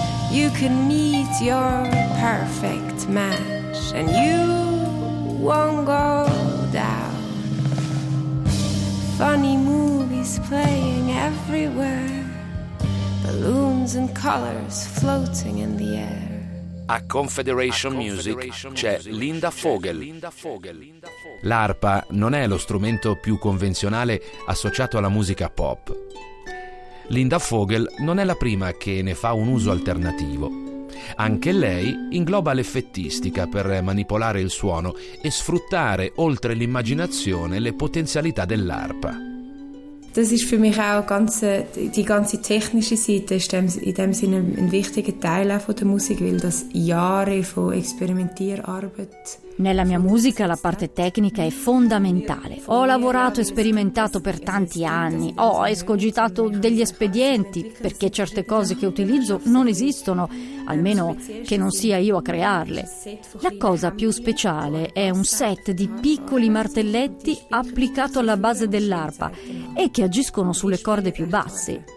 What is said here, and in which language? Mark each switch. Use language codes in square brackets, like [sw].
[en] You can meet your perfect match and you won't go down. Funny movies playing everywhere, balloons and colors floating in the air. [it] A Confederation Music c'è Linda Vogel. L'arpa non è lo strumento più convenzionale associato alla musica pop. Linda Vogel non è la prima che ne fa un uso alternativo. Anche lei ingloba l'effettistica per manipolare il suono e sfruttare oltre l'immaginazione le potenzialità dell'arpa. [de] Das ist für mich auch ganze, die ganze technische Seite ist in dem Sinne ein wichtiger Teil auch von der Musik, weil das Jahre von Experimentierarbeit. [it] Nella mia musica la parte tecnica è fondamentale. Ho lavorato e sperimentato per tanti anni, ho escogitato degli espedienti perché certe cose che utilizzo non esistono, almeno che non sia io a crearle. La cosa più speciale è un set di piccoli martelletti applicato alla base dell'arpa e che agiscono sulle corde più basse.